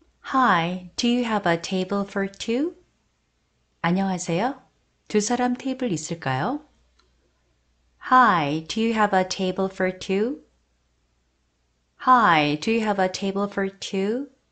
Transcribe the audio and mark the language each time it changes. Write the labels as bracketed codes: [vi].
[en] Hi, do you have a table for two? [ko] 안녕하세요. 두 사람 테이블 있을까요? [en] Hi, do you have a table for two? Hi, do you have a table for two?